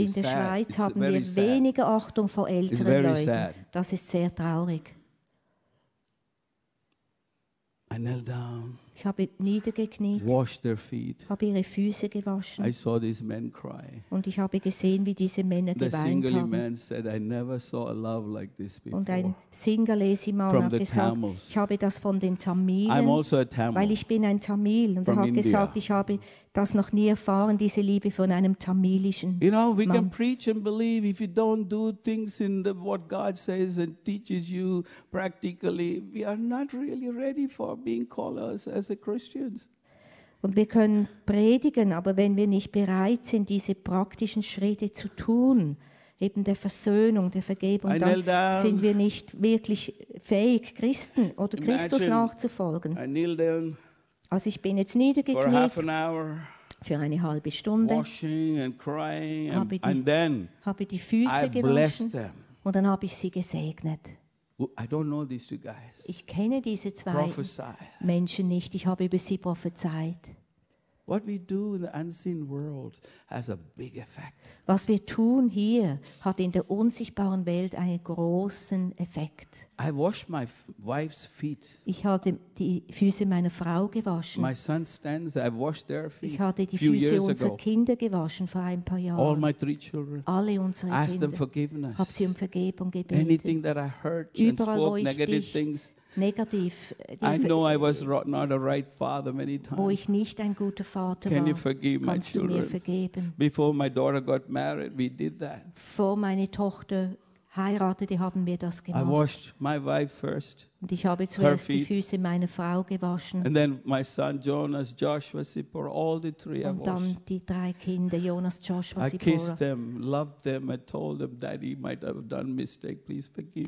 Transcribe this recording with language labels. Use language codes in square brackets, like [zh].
[de] In der Schweiz haben wir weniger Achtung vor älteren Leuten. [en] Sad. [de] Das ist sehr traurig. [en] I knelt down. [de] Ich habe niedergekniet. [en] Washed their feet. [de] Habe ihre Füße gewaschen. [en] I saw these men cry. [de] Und ich habe gesehen, wie diese Männer geweint haben. [en] The singly man said, "I never saw a love like this before." [de] Und ein singalesi Mann hat gesagt, ich habe das von den Tamilen. [en] I'm also a Tamil. [de] Weil ich bin ein Tamil und er hat gesagt, ich habe das noch nie erfahren, diese Liebe von einem tamilischen Mann. [en] You know, we can preach and believe if you don't do things in the what God says and teaches you practically, we are not really ready for being called as a Christians. [de] Und wir können predigen, aber wenn wir nicht bereit sind, diese praktischen Schritte zu tun, eben der Versöhnung, der Vergebung, dann sind wir nicht wirklich fähig, Christen oder [en] Imagine, [de] Christus nachzufolgen. [en] I kneel down. [de] Also ich bin jetzt niedergekniet für eine halbe Stunde, habe die Füße gewaschen und dann habe ich sie gesegnet. [en] I don't know these two guys. [de] Ich kenne diese zwei Menschen nicht. Ich habe über sie prophezeit. [en] What we do in the unseen world has a big effect. [de] Was wir tun hier hat in der unsichtbaren Welt einen großen Effekt. [en] I washed my wife's feet. [de] Ich hatte die Füße meiner Frau gewaschen. [en] My son stands. I washed their feet. [de] Ich hatte die Füße unserer Kinder gewaschen vor ein paar Jahren. [en] All my three children. [de] Alle unsere Kinder. [en] Asked them forgiveness. [de] Hab sie um Vergebung gebeten. [en] Anything that I hurt and spoke negative things. [de] Negativ. [en] I know I was not a right father many times. [de] Wo ich nicht ein guter Vater [en] Can [de] war. [en] You forgive my children? [de] Mir vergeben? [en] Before my daughter got married, we did that. [de] Vor meine Tochter heiratete, haben wir das gemacht. [en] I washed my wife first. [de] Und ich habe zuerst die Füße meiner Frau gewaschen. [en] And then my son Jonas, Joshua, Sippor, all the three [de] Und [en] I washed. [de] Dann die drei Kinder, Jonas, Joshua, Sippor. [en] I kissed them, loved them, I told them, Daddy might have done a mistake, please forgive me.